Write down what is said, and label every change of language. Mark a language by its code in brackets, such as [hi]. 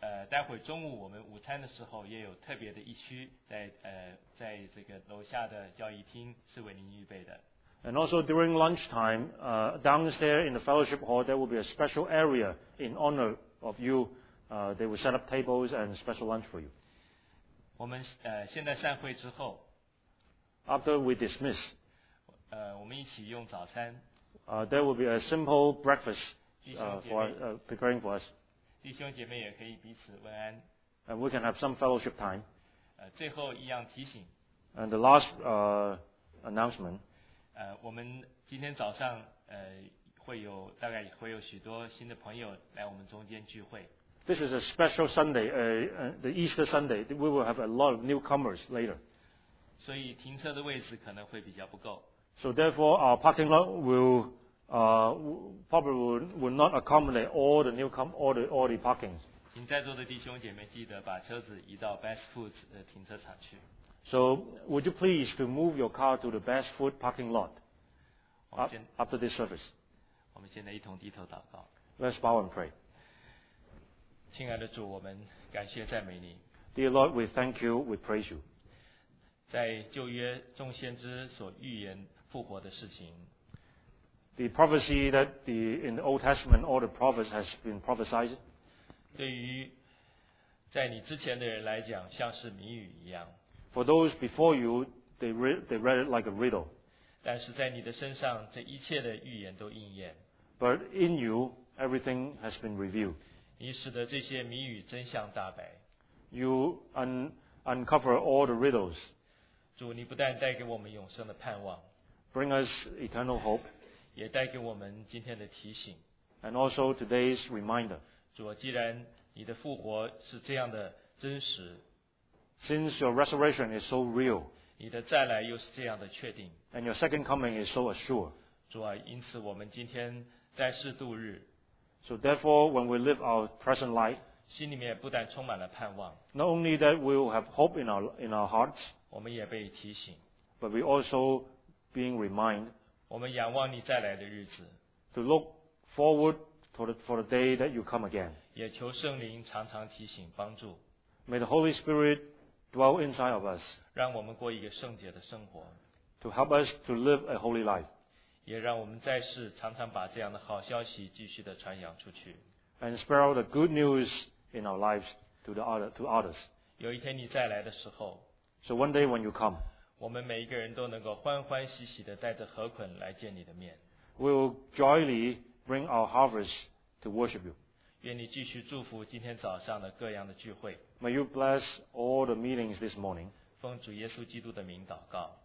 [zh] 待会中午我们午餐的时候也有特别的一区在在这个楼下的教义厅是为您预备的。 [en] And also during lunchtime, downstairs in the fellowship hall, there will be a special area in honor of you. They will set up tables and special lunch for you. [zh] 我们现在散会之后 [en] ，After we dismiss, [zh] 我们一起用早餐。 [en] There will be a simple breakfast preparing for us. [zh] 弟兄姐妹也可以彼此问安。 [en] And we can have some fellowship time. [zh] 最后一样提醒。 [en] And the last announcement. [zh] 我们今天早上会有大概会有许多新的朋友来我们中间聚会。 [en] This is a special Sunday, the Easter Sunday. We will have a lot of newcomers later. [zh] 所以停车的位置可能会比较不够。 [en] So therefore, our parking lot will. Probably will not accommodate all the parkings. [zh] 请在座的弟兄姐妹记得把车子移到 Best Foods 停车场去。 [en] So would you please to move your car to the Best Food parking lot after this service? [zh] 我们现在一同低头祷告。 [en] Let's bow and pray. [zh] 亲爱的主，我们感谢赞美你。 [en] Dear Lord, we thank you, we praise you. [zh] 在旧约众先知所预言复活的事情。 [en] The prophecy that in the Old Testament all the prophets has been prophesied. [zh] 对于在你之前的人来讲，像是谜语一样。 [en] For those before you, they read it like a riddle. [zh] 但是在你的身上，这一切的预言都应验。 [en] But in you, everything has been revealed. [zh] 你使得这些谜语真相大白。 [en] You uncover all the riddles. [zh] 主，你不但带给我们永生的盼望。 [en] Bring us eternal hope. [zh] 也带给我们今天的提醒。 [en] And also today's reminder. [zh] 主，既然你的复活是这样的真实。 [en] Since your resurrection is so real. [zh] 你的再来又是这样的确定。 [en] And your second coming is so assured. [zh] 主啊，因此我们今天在世度日。 [en] So therefore, when we live our present life. [zh] 心里面不但充满了盼望。 [en] Not only that we will have hope in our hearts. [zh] 我们也被提醒。 [en] But we also being reminded. [zh] 我们仰望你再来的日子。 [en] To look forward for the day that you come again. [zh] 也求圣灵常常提醒帮助。 [en] May the Holy Spirit dwell inside of us. [zh] 让我们过一个圣洁的生活。 [en] To help us to live a holy life. [zh] 也让我们在世常常把这样的好消息继续的传扬出去。 [en] And spread out the good news in our lives to others. [zh] 有一天你再来的时候。 [en] So one day when you come. [zh] 我们每一个人都能够欢欢喜喜地带着禾捆来见你的面。 [en] We will joyfully bring our harvest to worship you. [zh] 愿你继续祝福今天早上的各样的聚会。 [en] May you bless all the meetings this morning. [zh] 奉主耶稣基督的名祷告。